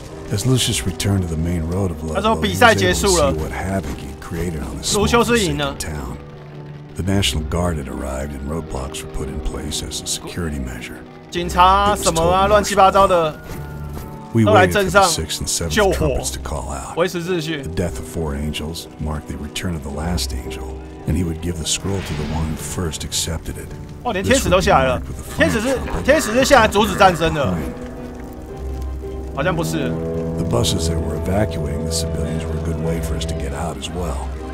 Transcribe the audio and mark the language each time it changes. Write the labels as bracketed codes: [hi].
[en] As Lucius returned to the main road of Ludlow, he was able to see what havoc he'd created on the small town. The National Guard had arrived, and roadblocks were put in place as a security measure. [zh] 警察什么啊，乱七八糟的。 [en] We waited for the 6th and 7th trumpets to call out. [zh] 维持秩序。 [en] The death of four angels marked the return of the last angel. And he would give the scroll to the one who first accepted it. [zh] 哇，连天使都下来了。天使是下来阻止战争的。好像不是。 [en] The buses that were evacuating the civilians were a good way for us to get out as well.